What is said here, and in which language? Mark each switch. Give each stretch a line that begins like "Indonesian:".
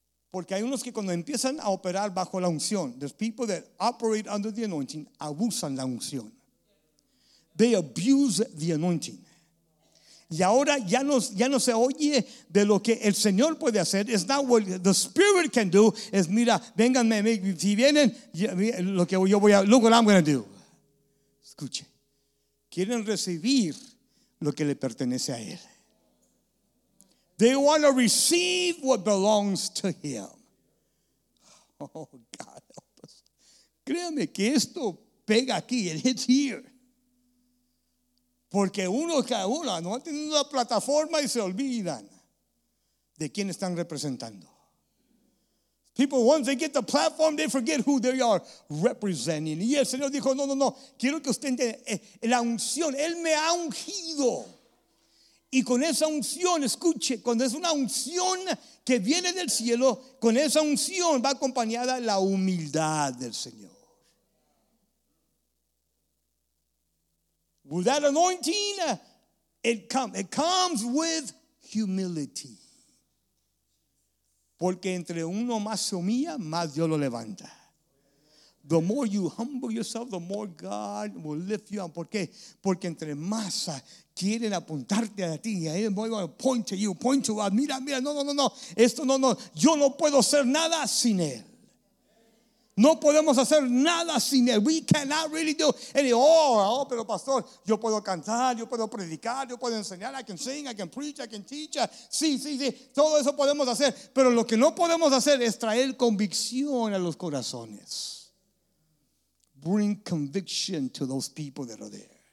Spanish: Porque hay unos que cuando empiezan a operar bajo la unción,
English: there's people that operate under the anointing,
Spanish: abusan la unción.
English: They abuse the anointing.
Spanish: Y ahora ya no se oye de lo que el Señor puede hacer.
English: It's not what the Spirit can do.
Spanish: Es mira, vénganme, si vienen, lo que yo voy a,
English: look what I'm going to do.
Spanish: Escuche. Quieren recibir lo que le pertenece a él.
English: They want to receive what belongs to him. Oh, God help us.
Spanish: Créanme que esto pega aquí.
English: It hits here.
Spanish: Porque uno cada uno no ha tenido una plataforma y se olvidan de quién están representando.
English: People, once they get the platform, they forget who they are representing.
Spanish: Y el Señor dijo, no, quiero que usted entienda la unción. Él me ha ungido. Y con esa unción, escuche, cuando es una unción que viene del cielo, con esa unción va acompañada la humildad del Señor.
English: With that anointing, it comes with humility.
Spanish: Porque entre uno más se humilla, más Dios lo levanta.
English: The more you humble yourself, the more God will lift you up.
Spanish: ¿Por qué? Porque entre más quieren apuntarte a ti,
English: point to you,
Spanish: mira, no, yo no puedo hacer nada sin él. No podemos hacer nada sin él.
English: We cannot really do anything.
Spanish: Oh, pero pastor, yo puedo cantar, yo puedo predicar, yo puedo enseñar,
English: I can sing, I can preach, I can teach.
Spanish: Sí, todo eso podemos hacer. Pero lo que no podemos hacer es traer convicción a los corazones.
English: Bring conviction to those people that are there.